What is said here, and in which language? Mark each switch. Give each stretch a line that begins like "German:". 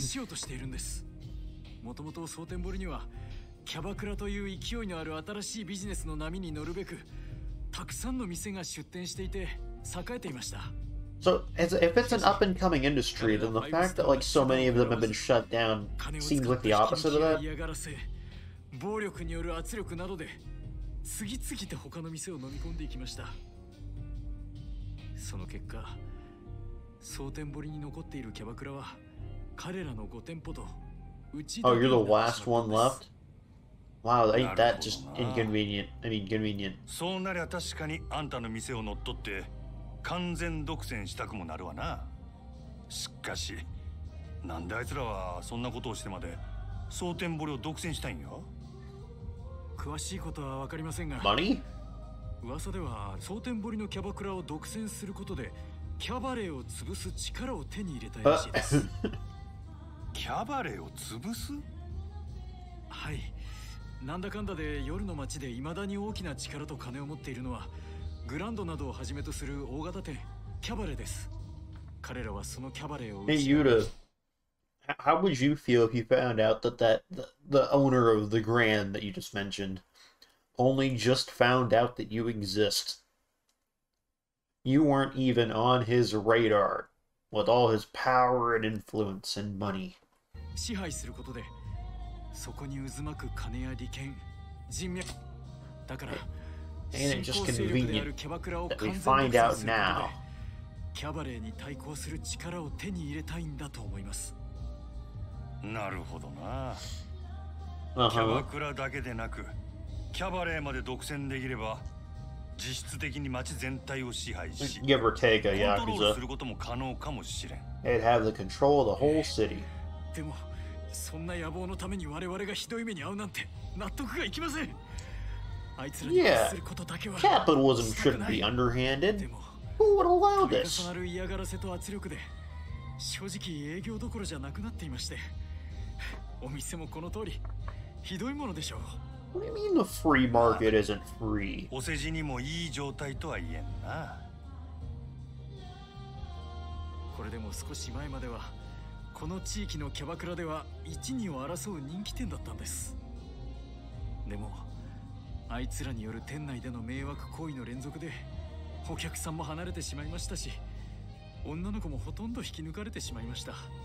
Japanese: shiyou to shiteiru n desu. Motomoto Sotenbori ni wa キャバクラという勢いのある新しいビジネスの波に乗るべく、たくさんの店が出店していて、栄えていました。
English: So, if it's an up-and-coming industry, then the fact that, like, so many of them have been shut down seems like the opposite of that.
Japanese: 暴力による圧力などで、次々と他の店を飲み込んでいきました。その結果、蒼天堀に残っているキャバクラは、彼らの5店舗と、うち
English: で、Oh, you're the last one left? Wow, ain't that just inconvenient? I mean, convenient.
Japanese: そうなりゃ確かにあんたの店を乗っ取って完全独占したくもなるわな。しかし、なんであいつらはそんなことをしてまで蒼天堀を独占したいんよ。詳しいことはわかりませんが。
English: Money?
Japanese: 噂では蒼天堀のキャバクラを独占することでキャバレーを潰す力を手に入れたらしいです。キャバレーを潰す？はい。なんだかんだで夜の街で未だに大きな力と金を持っているのはグランドなどをはじめとする大型店キャバレーです。彼らはそのキャバレーを
English: Hey Yuta, how would you feel if you found out that the owner of the Grand that you just mentioned only just found out that you exist? You weren't even on his radar with all his power and influence and money.
Japanese: 支配することでそこに渦巻く金や利権、人脈だから、新興勢力であるキャバクラを完全独占することで、キャバレーに対抗する力を手に入れたいんだと思います。なるほどな。キャバクラだけでなく、キャバレーまで独占できれば、実質的に街全体を支配し、
English: give or take a Yakuza.
Japanese: コントロールすることも可能かもしれん。
English: It'd have the control of the whole city.
Japanese: でも。そんな野望のために我々がひどい目に遭うなんて納得がいきません。あいつらに罰することだけは。
English: Capitalism shouldn't be underhanded. Who would allow this?
Japanese: でも、たくさんある嫌がらせと圧力で、正直営業どころじゃなくなっていまして、お店もこの通りひどいものでしょう。
English: What do you mean the free market isn't free?
Japanese: お世辞にもいい状態とは言えんな。これでも少し前までは。この地域のキャバクラでは一二を争う人気店だったんです。でもあいつらによる店内での迷惑行為の連続でお客さんも離れてしまいましたし、女の子もほとんど引き抜かれてしまいました。